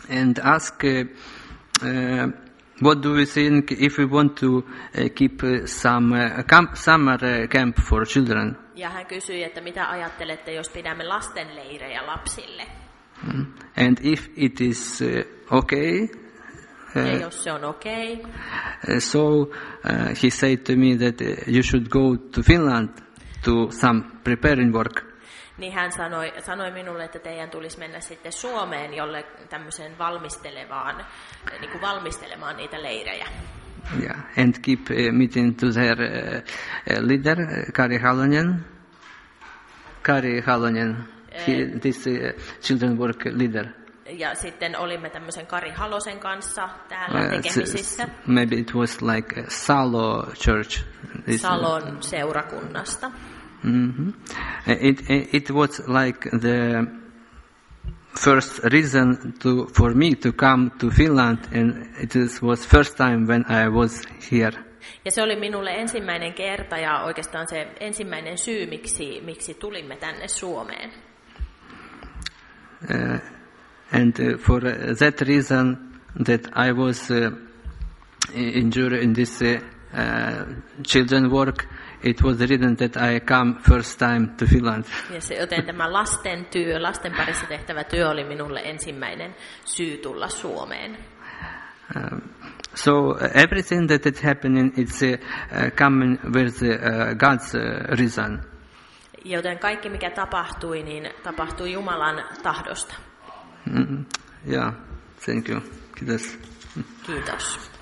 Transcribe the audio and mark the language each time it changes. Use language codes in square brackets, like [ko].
[en] And what do we think if we want to keep summer camp for children? [fi] Ja hän kysyi, että mitä ajattelette, jos pidämme lastenleirejä lapsille? [en] And if it is okay? [fi] Ja jos se on okay. [en] So he said to me that you should go to Finland to some preparing work. [fi] Niin hän sanoi minulle, että teidän tulisi mennä sitten Suomeen jolle tämmöiseen valmistelemaan niitä leirejä. Ja, en kip mitin tuzer leader Kari Halonen. [en] Kari Halonen, this children work leader. [fi] Ja sitten olimme tämmöisen Kari Halosen kanssa täällä tekemisissä. [en] Maybe it was like Salo Church. [fi] Salon seurakunnasta. Mm-hmm. [en] It was like the first reason for me to come to Finland, and it was first time when I was here. [fi] Ja se oli minulle ensimmäinen kerta ja oikeastaan se ensimmäinen syy miksi tulimme tänne Suomeen. [en] And for that reason that I was injured in this children work, it was written that I come first time to Finland. [fi] Ja se, joten tämä lasten työ, lasten parissa tehtävä työ oli minulle ensimmäinen syy tulla Suomeen. [en] So everything that is happening is coming with God's reason. [fi] Joten kaikki mikä tapahtui, niin tapahtui Jumalan tahdosta. [en] Yeah, thank you. [fi] Kiitos. Kiitos.